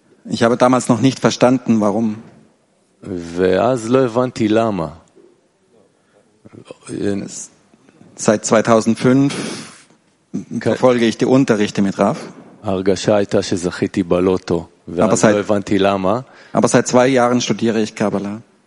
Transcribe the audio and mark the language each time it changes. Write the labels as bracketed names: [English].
[German] Ich habe damals noch nicht verstanden, warum. [Hebrew] ואז לא הבנתי למה. [German] Seit 2005 verfolge ich die Unterrichte mit Rav. [Hebrew] הרגשה הייתה שזכיתי בלוטו, ואז לא הבנתי למה. [German] Aber seit 2 Jahren studiere ich Kabbalah.